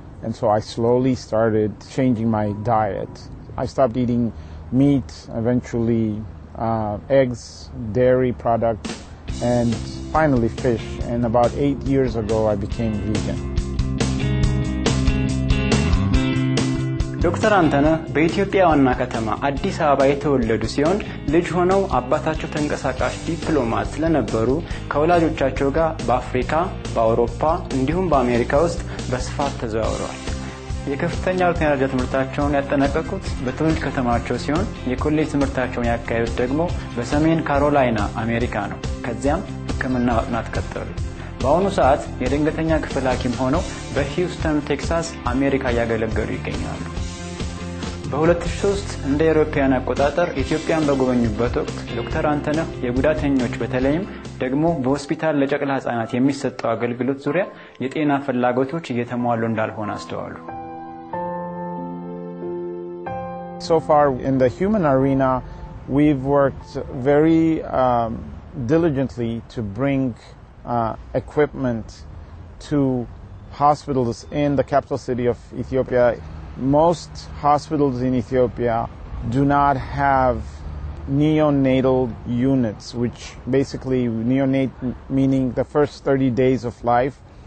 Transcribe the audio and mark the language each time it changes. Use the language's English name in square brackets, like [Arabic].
[English] And so I slowly started changing my diet. I stopped eating meat, eventually eggs, dairy products, and finally fish. And about 8 years ago, I became vegan. [Amharic] ዶክተር አንተነ በኢትዮጵያ ዋና ከተማ አዲስ አበባ የተወለዱ ሲሆን ልጅ ሆነው አባታቸው ተንቀሳቃሽ ዲፕሎማት ስለነበሩ ከወላጆቻቸው ጋር በአፍሪካ፣ በአውሮፓ እንዲሁም በአሜሪካ ውስጥ በስፋት ተዘዋውረዋል። የከፍተኛ ደረጃ ትምህርታቸውን ያጠናቀቁት በትውልድ ከተማቸው ሲሆን የኮሌጅ ትምህርታቸውን ያካሄዱት ደግሞ በሰሜን ካሮላይና አሜሪካ ነው። ከዚያም ሕክምና ማጥናት ቀጠሉ። በአሁኑ ሰዓት የድንገተኛ ክፍል ሐኪም ሆነው በሂውስተን ቴክሳስ አሜሪካ ያገለገሉ ይገኛሉ። በ2003 እንደ አውሮፓውያን አቆጣጠር ኢትዮጵያን በጎበኙበት ወቅት ዶክተር አንተነህ የጉዳተኞች በተለይም ደግሞ በሆስፒታል ለጨቅላ ህጻናት የሚሰጠው አገልግሎት ዙሪያ የጤና ፍላጎቶች እየተሟሉ እንዳልሆነ አስተዋሉ። [English] So far in the human arena, we've worked very diligently to bring equipment to hospitals in the capital city of Ethiopia. Most hospitals in Ethiopia do not have neonatal units, which basically neonate meaning the first 30 days of life.